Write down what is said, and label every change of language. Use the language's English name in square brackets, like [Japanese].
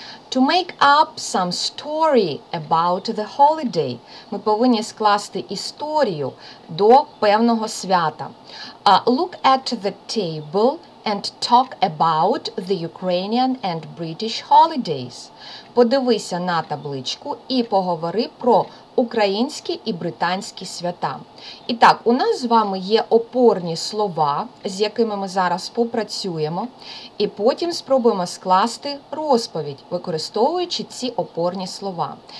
[English] To make up some story about the holiday. [Ukrainian] Ми повинні скласти історію до певного свята. [English] Look at the table and talk about the Ukrainian and British holidays. [Ukrainian] Подивися на табличку і поговори про українські і британські свята. І так, у нас з вами є опорні слова, з якими ми зараз попрацюємо, і потім спробуємо скласти розповідь, використовуючи ці опорні слова.